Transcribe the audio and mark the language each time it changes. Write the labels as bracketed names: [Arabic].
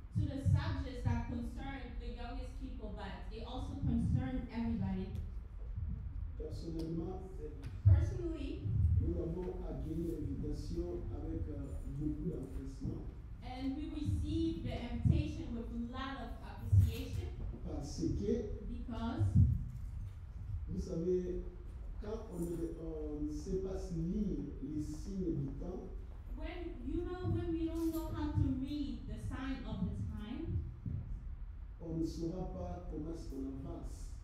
[English] To the subjects that concern the youngest people, but they also concern everybody. [French] Personnellement, [English] personally, [French] nous avons accueilli l'invitation avec beaucoup d'empressement. [English] And we received the invitation with a lot of appreciation. [French] Parce que, [English] because, [French] vous savez, quand on ne sait pas se lire les signes du temps, [English] when you know, when we don't know how to read the sign of the time, [French] on ne saura pas comment est-ce qu'on avance.